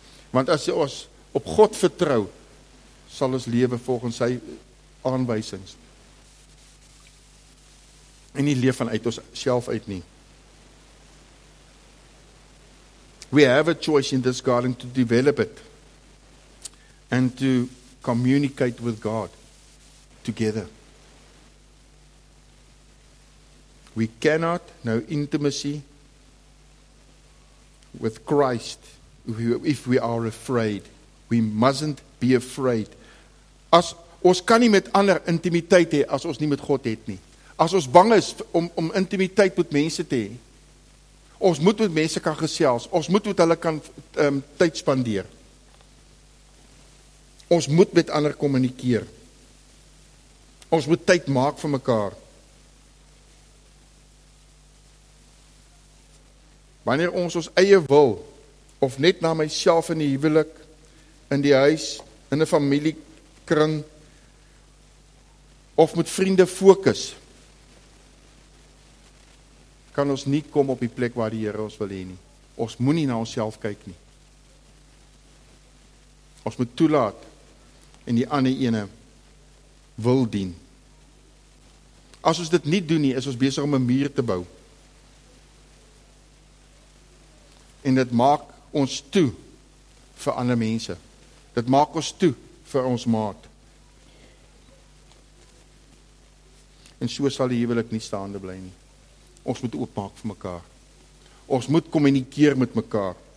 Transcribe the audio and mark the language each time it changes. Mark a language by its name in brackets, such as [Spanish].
[Afrikaans] Want as ons op God vertrou, sal ons lewe volgens sy aanwysings. En nie leef vanuit ons self uit nie. [English] We have a choice in this garden to develop it and to communicate with God together. We cannot know intimacy with Christ if we are afraid. We mustn't be afraid. [Afrikaans] Ons kan nie met ander intimiteit hê as ons nie met God het nie. As ons bang is om intimiteit met mense te hê, Ons moet met mense kan gesels. Ons moet met hulle kan tyd spandeer. Ons moet met ander kommunikeer. Ons moet tyd maak vir mekaar. Wanneer ons eie wil, of net na myself in die huwelik, in die huis, in die familiekring, of met vriende fokus, kan ons nie kom op die plek waar die Here ons wil hê nie. Ons moet nie na onsself kyk nie. Ons moet toelaat en die ander ene wil dien. As ons dit nie doen nie, is ons besig om 'n muur te bou. En dit maak ons toe vir ander mense. Dit maak ons toe vir ons maat. En so sal die huwelik nie staande bly nie. Ons moet oopmaak vir mekaar. Ons moet kommunikeer met mekaar.